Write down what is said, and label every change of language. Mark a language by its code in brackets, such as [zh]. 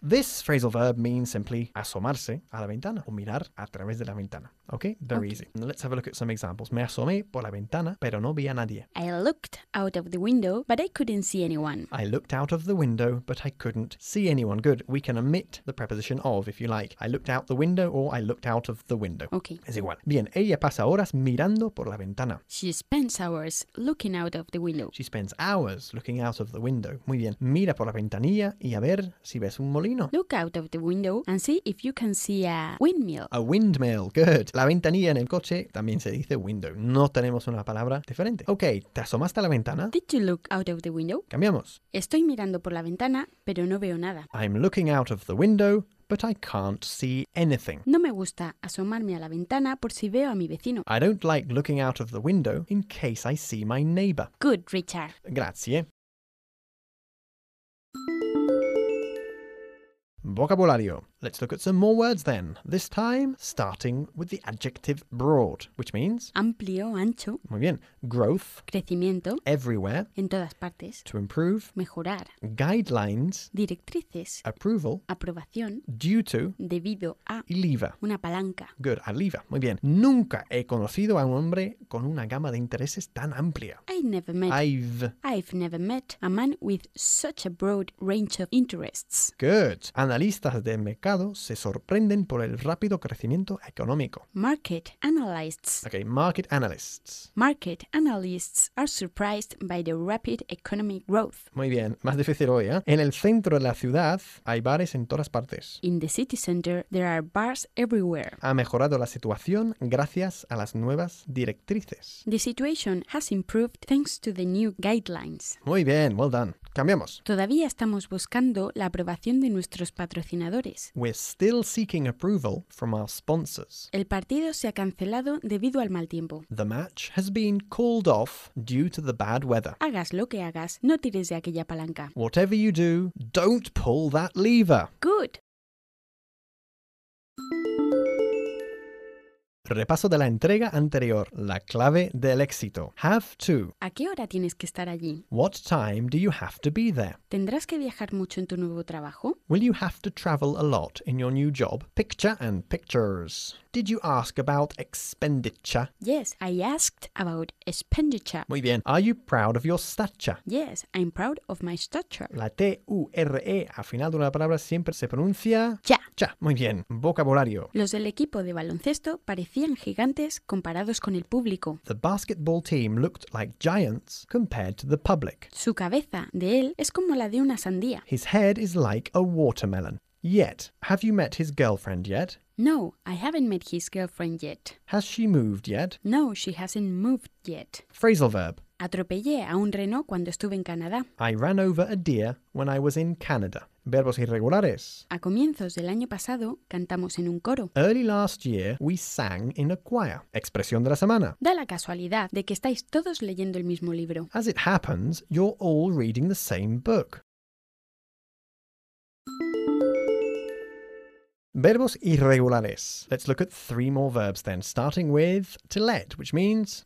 [en] This phrasal verb means simply [es] asomarse a la ventana [en] o mirar a través de la ventana. Okay? Very easy. Now let's have a look at some examples. [es] Me asomé por la ventana, pero no vi a nadie. [en] I looked out of the window, but I couldn't see anyone. I looked out of the window, but I couldn't see anyone. Good. We can omit the preposition of, if you like. I looked out the window or I looked out of the window. Okay. [es] Es igual. Bien, ella pasa horas mirando por la ventana. [en] She spends hours looking out of the window. She spends hours looking out of the window. [es] Muy bien. Mira por la ventana. Y a ver si ves un molino. [en] Look out of the window and see if you can see a windmill. A windmill, good. [es] La ventanilla en el coche también se dice window. No tenemos una palabra diferente. Ok, ¿te asomaste a la ventana? [en] Did you look out of the window? [es] Cambiamos. Estoy mirando por la ventana, pero no veo nada. [en] I'm looking out of the window, but I can't see anything. [es] No me gusta asomarme a la ventana por si veo a mi vecino. [en] I don't like looking out of the window in case I see my neighbor. Good, Richard. [es] Gracias. Vocabulario. [en] Let's look at some more words then. This time, starting with the adjective broad, which means... [es] Amplio, ancho. Muy bien. [en] Growth. [es] Crecimiento. [en] Everywhere. [es] En todas partes. [en] To improve. [es] Mejorar. [en] Guidelines. [es] Directrices. [en] Approval. [es] Aprobación. [en] Due to. [es] Debido a. Y lever. Una palanca. [en] Good. A lever. [es] Muy bien. Nunca he conocido a un hombre con una gama de intereses tan amplia. [en] I've never met a man with such a broad range of interests. Good. [es] Analistas de mercado se sorprenden por el rápido crecimiento económico. [en] Market analysts. Okay, market analysts. Market analysts are surprised by the rapid economic growth. [es] Muy bien, más difícil hoy, ¿eh? En el centro de la ciudad hay bares en todas partes. [en] In the city center there are bars everywhere. [es] Ha mejorado la situación gracias a las nuevas directrices. [en] The situation has improved thanks to the new guidelines. [es] Muy bien, [en] well done. [es] Cambiamos. Todavía estamos buscando la aprobación de nuestros patrocinadores. [en] We're still seeking approval from our sponsors. [es] El partido se ha cancelado debido al mal tiempo. [en] The match has been called off due to the bad weather. [es] Hagas lo que hagas, no tires de aquella palanca. [en] Whatever you do, don't pull that lever. Good. [es] Repaso de la entrega anterior, la clave del éxito. [en] Have to. [es] ¿A qué hora tienes que estar allí? [en] What time do you have to be there? [es] ¿Tendrás que viajar mucho en tu nuevo trabajo? [en] Will you have to travel a lot in your new job? Picture and pictures. Did you ask about expenditure? Yes, I asked about expenditure. [es] Muy bien. [en] Are you proud of your stature? Yes, I'm proud of my stature. [es] La T-U-R-E al final de una palabra siempre se pronuncia... Ya. Ya. Muy bien. Vocabulario. Los del equipo de baloncesto parecían gigantes comparados con el público. [en] The basketball team looked like giants compared to the public. [es] Su cabeza de él es como la de una sandía. [en] His head is like a watermelon. Yet, have you met his girlfriend yet? No, I haven't met his girlfriend yet. Has she moved yet? No, she hasn't moved yet. Phrasal verb. [es] Atropellé a un reno cuando estuve en Canadá. [en] I ran over a deer when I was in Canada. [es] Verbos irregulares. A comienzos del año pasado, cantamos en un coro. [en] Early last year, we sang in a choir. [es] Expresión de la semana. Da la casualidad de que estáis todos leyendo el mismo libro. [en] As it happens, you're all reading the same book. [es] Verbos irregulares. [en] Let's look at three more verbs then, starting with to let, which means...